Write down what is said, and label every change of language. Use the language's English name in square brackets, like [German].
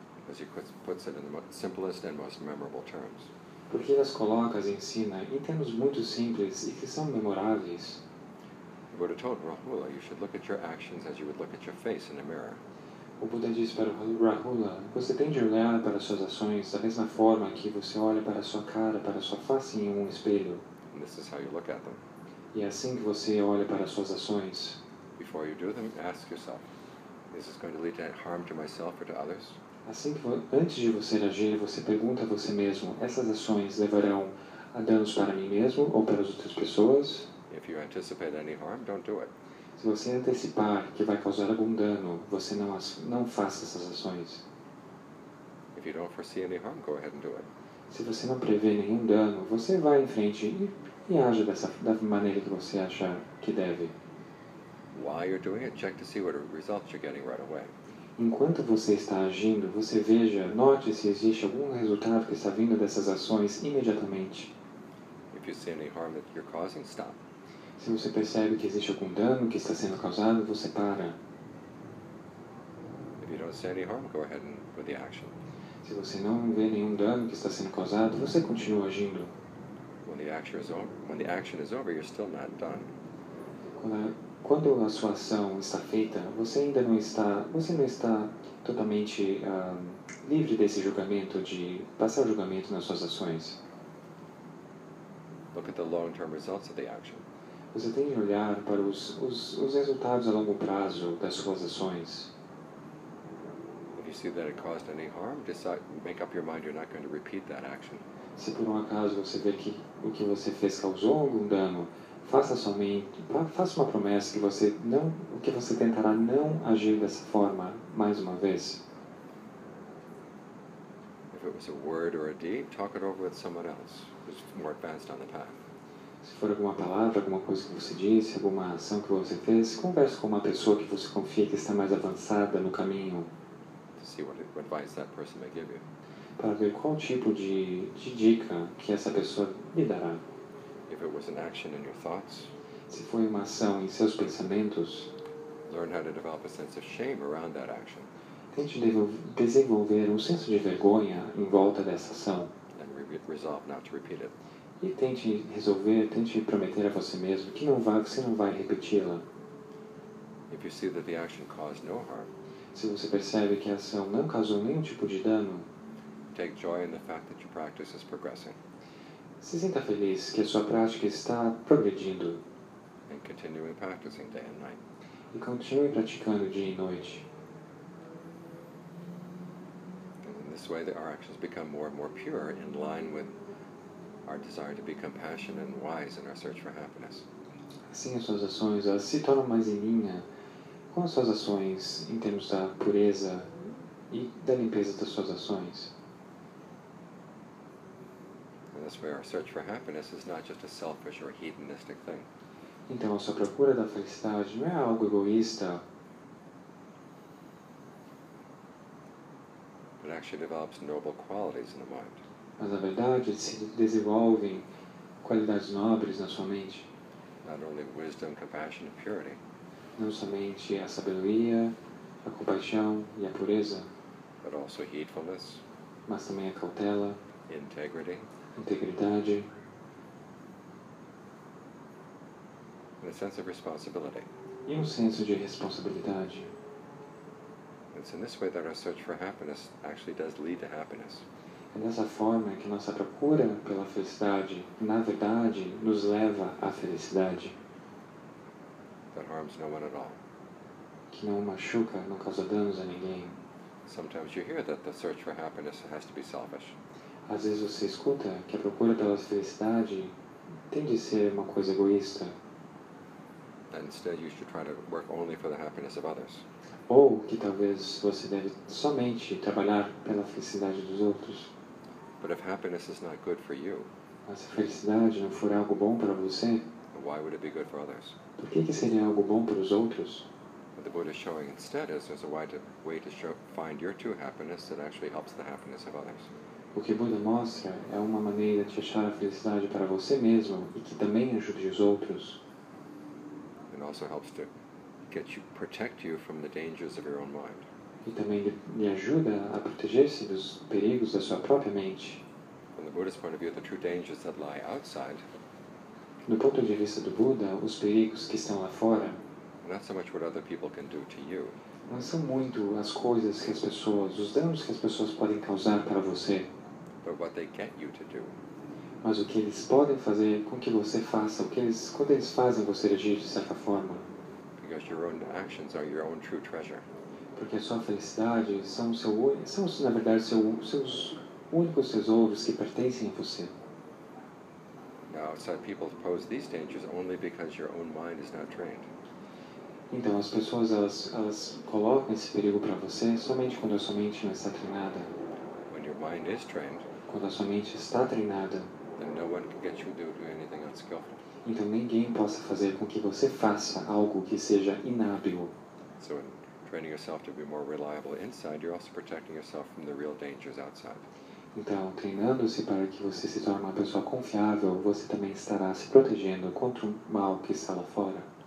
[English] As he puts it in the simplest and most memorable terms. [Portuguese] Porque ele as coloca e ensina em termos muito simples e que são memoráveis. [English] The Buddha told Rahula, you should look at your actions as you would look at your face in a mirror. [Portuguese] O Buda disse para Rahula, você tem de olhar para suas ações da mesma forma que você olha para sua cara, para sua face em um espelho. [English] And this is how you look at them. [Portuguese] E é assim que você olha para suas ações. [English] Before you do them, ask yourself, is this going to lead to harm to myself or to others? [Portuguese] Assim que antes de você agir, você pergunta a você mesmo, essas ações levarão a danos para mim mesmo ou para as outras pessoas? [English] If you anticipate any harm, don't do it. [Portuguese] Se você antecipar que vai causar algum dano, você não faça essas ações. [English] If you don't foresee any harm, go ahead and do it. [Portuguese] Se você não prevê nenhum dano, você vai em frente e aja da maneira que você achar que deve. [English] While you're doing it, check to see what results you're getting right away. [Portuguese] Enquanto você está agindo, você veja, note se existe algum resultado que está vindo dessas ações imediatamente. [English] If you see any harm that you're causing, stop. [Portuguese] Se você percebe que existe algum dano que está sendo causado, você para. [English] If you don't see any harm, go ahead and with the action. [Portuguese] Se você não vê nenhum dano que está sendo causado, você continua agindo. [English] When the action is over, you're still not done. [Portuguese] Quando a sua ação está feita, você ainda não está, você não está totalmente livre desse julgamento, de passar julgamento nas suas ações. [English] Look at the long-term results of the action. [Portuguese] Você tem que olhar para os resultados a longo prazo das suas ações. [English] If you see that it caused any harm, decide, make up your mind you're not going to repeat that action. [Portuguese] Se por um acaso você vê que o que você fez causou algum dano, faça uma promessa que você não, que você tentará não agir dessa forma mais uma vez. [English] If it was a word or a deed, talk it over with someone else who's more advanced on the path. [Portuguese] Se for alguma palavra, alguma coisa que você disse, alguma ação que você fez, converse com uma pessoa que você confia que está mais avançada no caminho. [English] To see what advice that person may give you. [Portuguese] Para ver qual tipo de dica que essa pessoa lhe dará. [English] If it was an action in your thoughts, [Portuguese] se foi uma ação em seus pensamentos, [English] learn how to develop a sense of shame around that action. [Portuguese] Tente desenvolver um senso de vergonha em volta dessa ação. [English] And resolve not to repeat it. [Portuguese] E tente resolver, tente prometer a você mesmo que não vai, que você não vai repeti-la. [English] If you see that the action caused no harm, [Portuguese] se você percebe que a ação não causou nenhum tipo de dano, [English] take joy in the fact that your practice is progressing. [Portuguese] Se sinta feliz que a sua prática está progredindo. [English] And continuing practicing day and night. [Portuguese] E continue praticando dia e noite. [English] And in this way, our actions become more and more pure in line with our desire to be compassionate and wise in our search for happiness. [Portuguese] Assim as suas ações elas se tornam mais em linha com as suas ações em termos da pureza e da limpeza das suas ações. [English] And that's where our search for happiness is not just a selfish or hedonistic thing. [Portuguese] Então a sua procura da felicidade não é algo egoísta. [English] It actually develops noble qualities in the mind. [Portuguese] Mas, na verdade, se desenvolvem qualidades nobres na sua mente. [English] Not only wisdom, compassion, and purity. [Portuguese] Não somente a sabedoria, a compaixão e a pureza. [English] But also heedfulness. [Portuguese] Mas também a cautela. [English] Integrity. [Portuguese] Integridade. [English] And a sense of responsibility. [Portuguese] E um senso de responsabilidade. [English] It's in this way that our search for happiness actually does lead to happiness. [Portuguese] É dessa forma que nossa procura pela felicidade, na verdade, nos leva à felicidade. [English] That harms no one at all. [Portuguese] Que não machuca, não causa danos a ninguém. [English] Sometimes you hear that the search for happiness has to be selfish. [Portuguese] Às vezes você escuta que a procura pela felicidade tem de ser uma coisa egoísta. [English] that instead you should try to work only for the happiness of others. [Portuguese] Ou que talvez você deve somente trabalhar pela felicidade dos outros. [English] But if happiness is not good for you, [Portuguese] mas se a felicidade não for algo bom para você, [English] why would it be good for others? [Portuguese] Por que seria algo bom para os outros? [English] What the Buddha is showing instead is there's a way to show, find your true happiness that actually helps the happiness of others. [Portuguese] O que Buda mostra é uma maneira de achar a felicidade para você mesmo e que também ajude os outros. [English] It also helps to get you, protect you from the dangers of your own mind. [Portuguese] E também lhe ajuda a proteger-se dos perigos da sua própria mente. [English] From the Buddha's point of view, the true dangers that lie outside. [Portuguese] Do ponto de vista do Buda, os perigos que estão lá fora. [English] Not so much what other people can do to you. [Portuguese] Não são muito as coisas que as pessoas, os danos que as pessoas podem causar para você. [English] But what they get you to do. [Portuguese] Mas o que eles podem fazer com que você faça, o que eles, quando eles fazem você agir de certa forma. [English] Because your own actions are your own true treasure. [Portuguese] Porque a sua felicidade são, na verdade, seus únicos tesouros que pertencem a você. [English] Outside people pose these dangers only because your own mind is not trained. [Portuguese] Então as pessoas elas colocam esse perigo para você somente quando a sua mente não está treinada. [English] When your mind is trained, [Portuguese] quando a sua mente está treinada, [English] then no one can get you to do anything unskillful. [Portuguese] Então ninguém possa fazer com que você faça algo que seja inábil. [English] So in training yourself to be more reliable inside, you're also protecting yourself from the real dangers outside. [Portuguese] Então, treinando-se para que você se torne uma pessoa confiável, você também estará se protegendo contra o mal que está lá fora.